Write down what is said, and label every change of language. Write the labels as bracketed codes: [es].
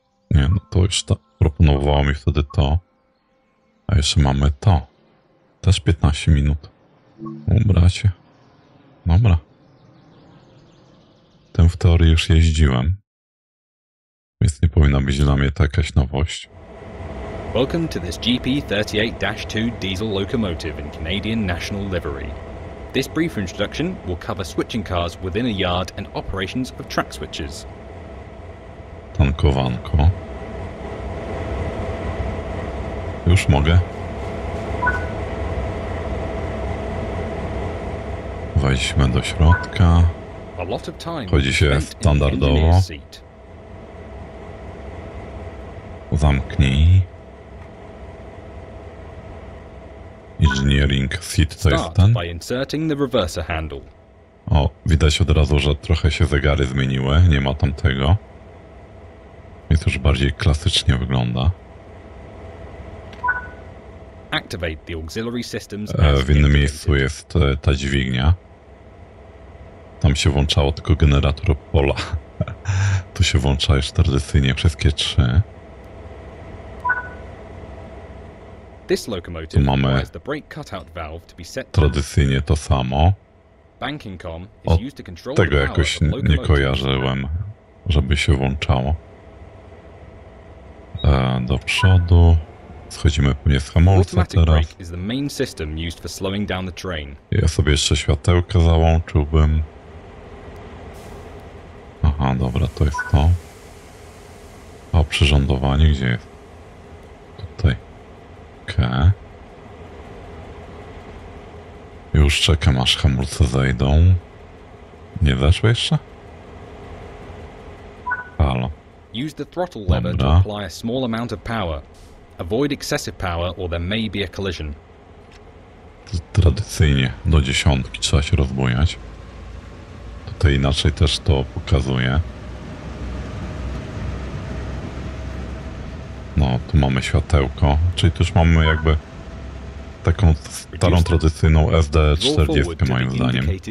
[pl] Nie no, to już ta, proponowało mi wtedy to. A jeszcze mamy to. Też 15 minut. Umbracie. Dobra. Tym w teorii już jeździłem. Więc nie powinna być dla mnie to jakaś nowość. [en] Welcome to this GP38-2 diesel locomotive in Canadian National Livery. This brief introduction will cover switching cars within a yard and operations of track switches. [pl] Tankowanko. Już mogę. Wejdźmy do środka. [en] A lot of time. [pl] Chodzi się standardowo. Zamknij. [en] engineering seat [pl] to jest ten? [en] By inserting the reverser handle. [pl] O, widać od razu, że trochę się zegary zmieniły, nie ma tam tego. I to już bardziej klasycznie wygląda. [en] Activate the auxiliary systems. [pl] W innym miejscu jest ta dźwignia. Tam się włączało tylko generator pola. Tu się włącza już tradycyjnie wszystkie trzy. [en] This locomotive [pl] tu mamy [en] the brake cutout valve to be set [pl] tradycyjnie to samo. [en] Banking com is used to control the power of the locomotive. [pl] Nie kojarzyłem, żeby się włączało. Do przodu. Schodzimy pewnie z hamulca teraz. [en] Is the main system used for slowing down the train. [pl] Ja sobie jeszcze światełka załączyłbym. Aha, dobra, to jest to. A przyrządowanie gdzie jest? Tutaj. Okej. Okay. Już czekam, aż hamulce zejdą. Nie weszło jeszcze? Halo. [en] Use the throttle lever to apply a small amount of power. Avoid excessive power or there may be a collision. [pl] Tradycyjnie do dziesiątki trzeba się rozbujać. Tutaj inaczej też to pokazuje. No, tu mamy światełko, czyli tu już mamy jakby taką starą tradycyjną SD40 moim zdaniem.